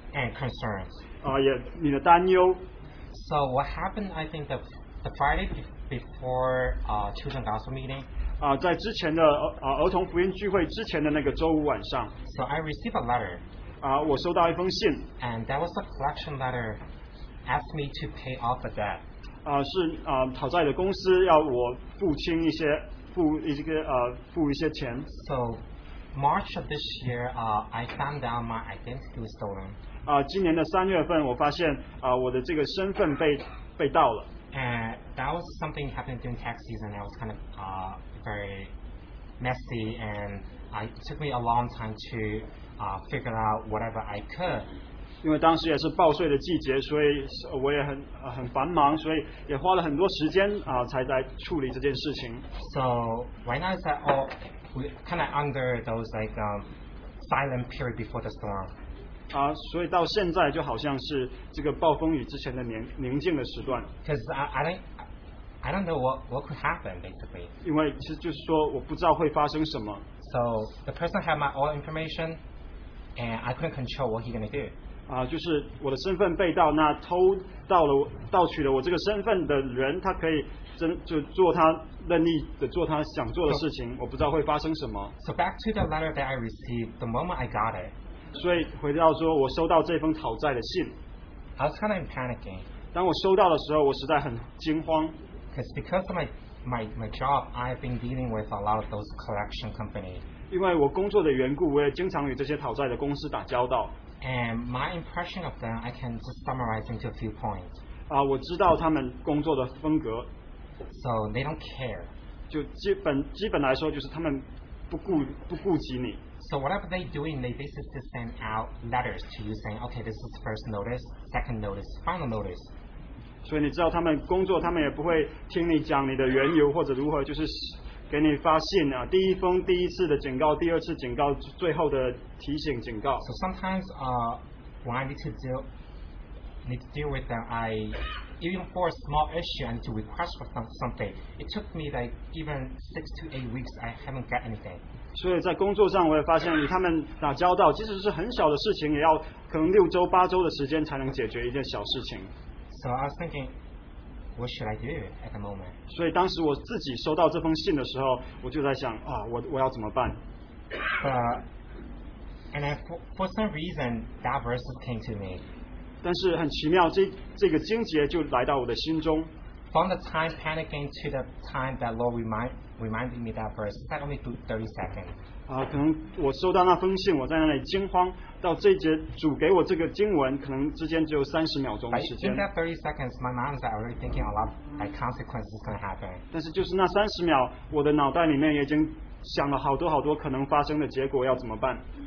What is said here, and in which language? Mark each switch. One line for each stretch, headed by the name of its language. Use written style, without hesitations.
English: And concerns.
Chinese: 你的担忧。
English: So what happened? I think the Friday before children gospel meeting.
Chinese: 在之前的儿童福音聚会之前的那个周五晚上。
English: So I received a letter.
Chinese: 我收到一封信。
English: And that was a collection letter, asked me to pay off the debt.
Chinese: 是讨债的公司要我付清一些付一些钱。
English: So March of this year, I found out my identity was stolen.
Chinese: 今年的三月份，我发现我的这个身份被盗了。
English: And that was something happened during tax season. It was kind of very messy, and it took me a long time to figure out whatever I could.
Chinese: 因为当时也是报税的季节，所以我也很繁忙，所以也花了很多时间才在处理这件事情。
English: So right now is that all we kind of under those silent period before the storm.
Chinese: 所以到现在就好像是这个暴风雨之前的宁静的时段。
English: Because I don't know what could happen basically.
Chinese: 因为其实就是说我不知道会发生什么。
English: So the person had my all information, and I couldn't control what he's gonna do.
Chinese: 就是我的身份被盗，那偷盗了盗取了我这个身份的人，他可以就做他任意的做他想做的事情，我不知道会发生什么。
English: So back to the letter that I received, the moment I got it.
Chinese: 所以回到说我收到这封讨债的信。
English: I was kind of panicking.
Chinese: 当我收到的时候，我实在很惊慌。
English: Because of my job, I've been dealing with a lot of those collection companies.
Chinese: 因为我工作的缘故，我也经常与这些讨债的公司打交道。
English: And my impression of them, I can just summarize into a few points.
Chinese: 我知道他们工作的风格。
English: So they don't care.
Chinese: 就基本来说，就是他们不顾及你。
English: So whatever they doing, they basically send out letters to you saying, okay, this is first notice, second notice, final notice.
Chinese: 所以你知道他们工作，他们也不会听你讲你的缘由或者如何，就是给你发信啊，第一封第一次的警告，第二次警告，最后的提醒警告。
English: So sometimes, when I need to deal with them, I even for a small issue, I need to request for something. It took me like even 6 to 8 weeks, I haven't got anything.
Chinese: 所以在工作上，我也发现与他们打交道，即使是很小的事情，也要可能六周、八周的时间才能解决一件小事情。
English: So I was thinking. What should I do at the moment?
Chinese: 所以当时我自己收到这封信的时候，我就在想我要怎么办？
English: And then for some reason, that verse came to me.
Chinese: 但是很奇妙，这个经节就来到我的心中。
English: From the time panicking to the time that Lord reminded me that verse, it's only 30 seconds.
Chinese: 可能我收到那封信，我在那里惊慌，到这节主给我这个经文，可能之间只有30秒钟的时间。
English: But in that 30 seconds, my mind is already thinking a lot like consequences is going to happen.
Chinese: 但是就是那30秒，我的脑袋里面已经想了好多好多可能发生的结果要怎么办。